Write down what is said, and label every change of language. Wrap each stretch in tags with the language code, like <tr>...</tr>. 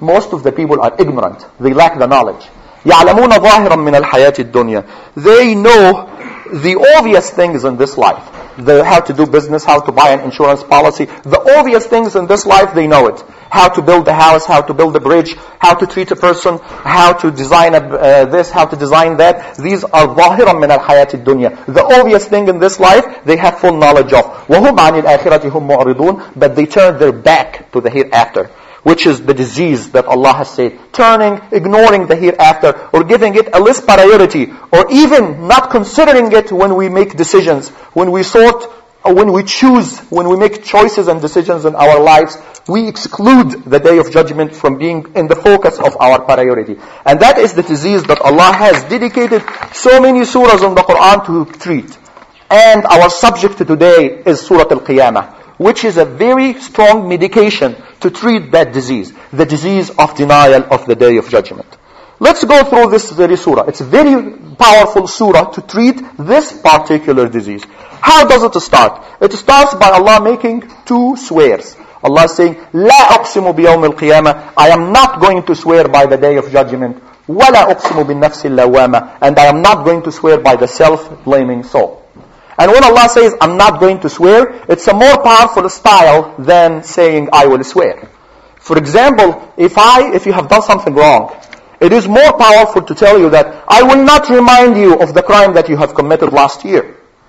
<en>Most of the people are ignorant. They lack the knowledge.</en> <ar>يَعْلَمُونَ ظَاهِرًا مِنَ الْحَيَاةِ الدُّنْيَا.</ar> <en>They know the obvious things in this life, the how to do business, how to buy an insurance policy, the obvious things in this life, they know it. How to build a house, how to build a bridge, how to treat a person, how to design this, how to design that. These are</en> <ar>ظاهرًا من الحياة الدنيا.</ar> <en>The obvious thing in this life, they have full knowledge of.</en> <ar>وَهُمْ عَنِ الْآخِرَةِ هُمْ مُعْرِضُونَ.</ar> <en>But they turn their back to the hereafter, which is the disease that Allah has said. Turning, ignoring the hereafter, or giving it a less priority, or even not considering it when we make decisions, when we sort, when we choose, when we make choices and decisions in our lives, we exclude the Day of Judgment from being in the focus of our priority. And that is the disease that Allah has dedicated so many surahs in the Quran to treat. And our subject today is Surah Al-Qiyamah, which is a very strong medication to treat that disease, the disease of denial of the Day of Judgment. Let's go through this very surah. It's a very powerful surah to treat this particular disease. How does it start? It starts by Allah making two swears. Allah is saying,</en> <ar>لا أقسم بيوم القيامة.</ar> <en>I am not going to swear by the Day of Judgment.</en> <ar>ولا أقسم بالنفس اللوامة.</ar> <en>And I am not going to swear by the self-blaming soul. And when Allah says, I'm not going to swear, it's a more powerful style than saying, I will swear. For example, if you have done something wrong, it is more powerful to tell you that I will not remind you of the crime that you have committed last year.</en>